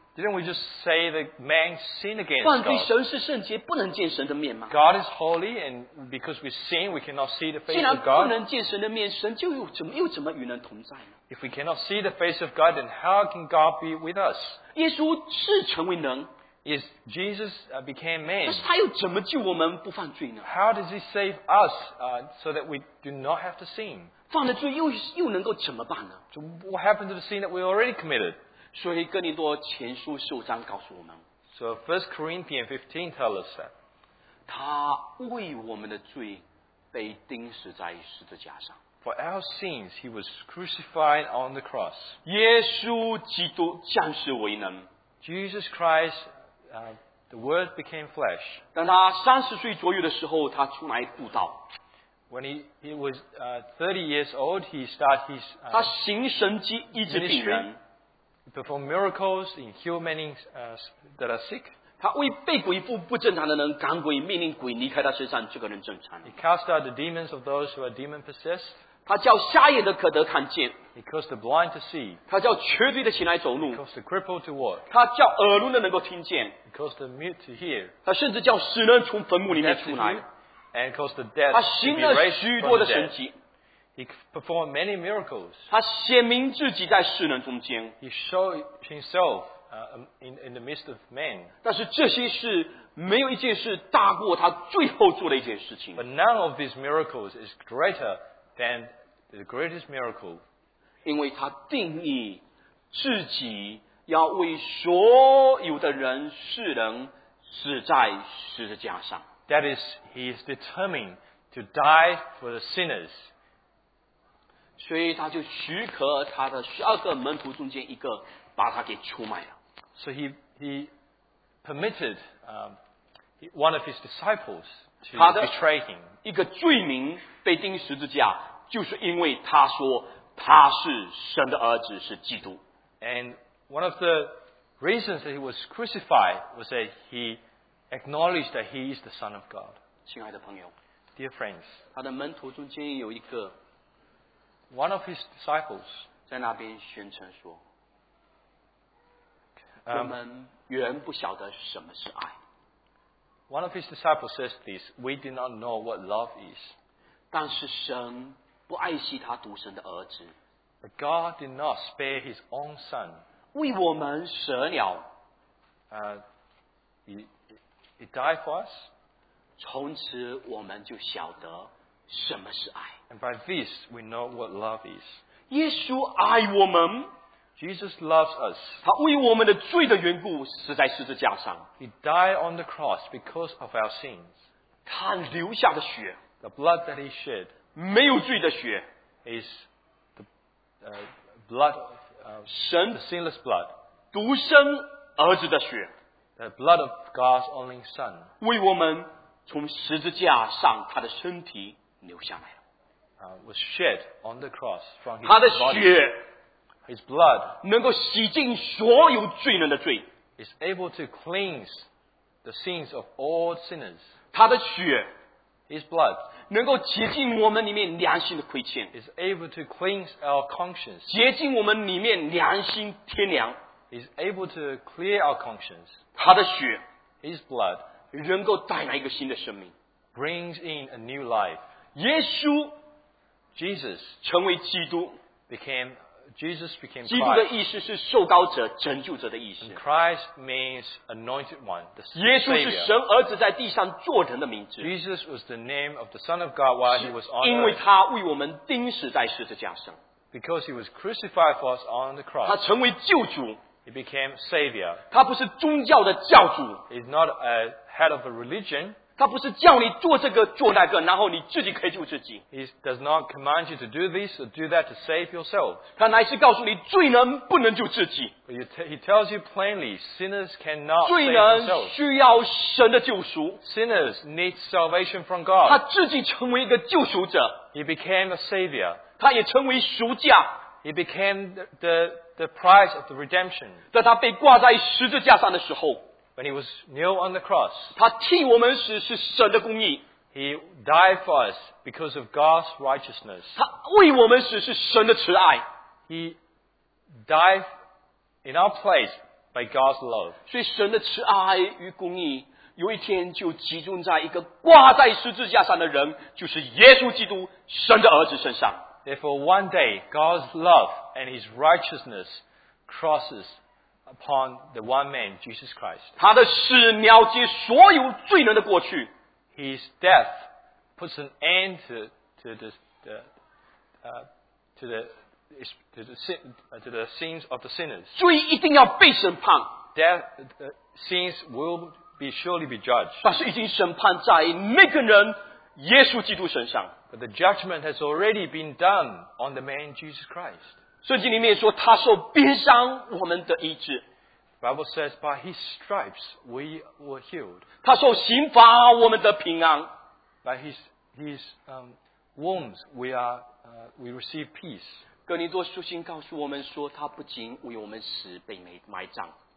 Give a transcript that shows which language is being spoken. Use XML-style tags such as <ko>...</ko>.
<en>Didn't we just say that man sinned against</en> <zh>犯罪神是圣洁，不能见神的面吗？</zh> <en>God is holy, and because we sin, we cannot see the face of God.</en> <zh>既然不能见神的面，神就又怎么与人同在呢？</zh> <en>If we cannot see the face of God, then how can God be with us?</en> <zh>耶稣是成为人。</zh> <en>Is Jesus became man?</en> <zh>但是他又怎么救我们不犯罪呢？</zh> <en>How does he save us so that we do not have to sin?</en> <zh>犯了罪又能够怎么办呢？</zh> <en>So what happened to the sin that we already committed?</en> <zh>所以哥林多前书十五章告诉我们。</zh> <en>So 1 Corinthians 15 tells us that.</en> <zh>他为我们的罪被钉死在十字架上。</zh> <en>For our sins, he was crucified on the cross.</en> <zh>耶稣基督降世为人。</zh> <en>Jesus Christ, the Word became flesh.</en> <zh>当他三十岁左右的时候，他出来布道。</zh> <en>When he was 30 years old, he started his</en> <zh>他行神迹医治病人。</zh> <en>He performed miracles in healing many that are sick.</en> <zh>他为被鬼附不正常的人赶鬼，命令鬼离开他身上，这个人正常。</zh> <en>He cast out the demons of those who are demon possessed.</en> <zh>他叫瞎眼的可得看见。</zh> <en>He caused the blind to see.</en> <zh>他叫瘸腿的起来走路。</zh> <en>He caused the crippled to walk.</en> <zh>他叫耳聋的能够听见。</zh> <en>He caused the mute to hear.</en> <zh>他甚至叫死人从坟墓里面出来。</zh> <en>And caused the dead to be raised from the dead.</en> <zh>他行了许多的神迹。</zh> <en>He performed many miracles.</en> <zh>他显明自己在世人中间。</zh> <en>He showed himself in the midst of men.</en> <zh>但是这些事没有一件事大过他最后做的一件事情。</zh> <en>But none of these miracles is greater than the greatest miracle.</en> <zh>因为他定义自己要为所有的人世人死在十字架上。</zh> <en>That is, he is determined to die for the sinners.</en> <zh>所以他就许可他的十二个门徒中间一个把他给出卖了。</zh> <en>So he permitted one of his disciples to betray him.</en> <zh>一个罪名被钉十字架，就是因为他说他是神的儿子，是基督。</zh> <en>And one of the reasons that he was crucified was that he acknowledged that he is the Son of God.</en> <zh>亲爱的朋友</zh> <en>，Dear friends，</en> <zh>他的门徒中间有一个</zh> <en>，One of his disciples</en> <zh>在那边宣称说，我们原不晓得什么是爱。</zh> <en>One of his disciples says this: We did not know what love is.</en> <zh>但是神不爱惜他独生的儿子。</zh> <en>But God did not spare his own son.</en> <zh>为我们舍了。</zh> <en>He died for us.</en> <zh>从此我们就晓得什么是爱。</zh> <en>And by this we know what love is.</en> <zh>耶稣爱我们。</zh> <en>Jesus loves us.</en> <zh>他为我们的罪的缘故死在十字架上。</zh> <en>He died on the cross because of our sins.</en> <zh>他流下的血。</zh> <en>The blood that he shed.</en> <zh>没有罪的血。</zh> <en>Is the blood of God. The sinless blood.</en> <zh>独生儿子的血。</zh> <en>The blood of God's only son.</en> <zh>为我们从十字架上他的身体流下来。</zh> <en>Was shed on the cross from his</en> <zh>他的血</zh> <en>body, his blood</en> <zh>能够洗净所有罪人的罪</zh> <en>is able to cleanse the sins of all sinners</en> <zh>他的血</zh> <en>his blood</en> <zh>能够洁净我们里面良心的亏欠</zh> <en>is able to cleanse our conscience</en> <zh>洁净我们里面良心天良</zh> <en>is able to clear our conscience</en> <zh>他的血</zh> <en>his blood</en> <zh>能够带来一个新的生命</zh> <en>brings in a new life</en> <zh>耶稣</zh> <en>Jesus</en> <zh>成为基督</zh> <en>became, Jesus became</en> <zh>基督的意思是受膏者拯救者的意思</zh> <en>And Christ means anointed one the</en> <zh>耶稣是神儿子在地上做人的名字</zh> <en>Jesus was the name of the son of God while he was on earth</en> <zh>因为他为我们钉死在十字架上</zh> <en>Because he was crucified for us on the cross</en> <zh>他成为救主</zh> <en>He became savior</en> <zh>他不是宗教的教主</zh> <en>He's not a head of a religion</en> <zh>他不是叫你做这个做那个然后你自己可以救自己</zh> <en>He does not command you to do this or do that to save yourself</en> <zh>他乃是告诉你罪人不能救自己</zh> <en>He tells you plainly sinners cannot</en> <zh>罪人需要神的救赎</zh> <en>Sinners need salvation from God</en> <zh>他自己成为一个救赎者</zh> <en>He became a savior</en> <zh>他也成为赎价</zh> <en>He became the price of the redemption</en> <zh>在他被挂在十字架上的时候</zh> <en>When he was nailed on the cross,</en> <zh>他替我们死是神的公义。</zh> <en>He died for us because of God's righteousness.</en> <zh>他为我们死是神的慈爱。</zh> <en>He died in our place by God's love.</en> <zh>所以神的慈爱与公义有一天就集中在一个挂在十字架上的人，就是耶稣基督，神的儿子身上。</zh> <en>Therefore, one day, God's love and his righteousness crosses upon the one man, Jesus Christ.</en> <zh>他的死了结所有罪人的过去。</zh> <en>His death puts an end to the sins of the sinners.</en> <zh>罪一定要被审判。</zh> <en>Death, sins will be surely be judged.</en> <zh>但是已经审判在那个人耶稣基督身上。</zh> <en>But the judgment has already been done on the man, Jesus Christ.</en> <zh>圣经里面说他受鞭伤我们的医治</zh> <en>Bible says by his stripes we were healed</en> <zh>他受刑罚我们的平安</zh> <en>By his wounds we receive peace</en> <zh>哥林多书信告诉我们说他不仅为我们死被埋葬</zh>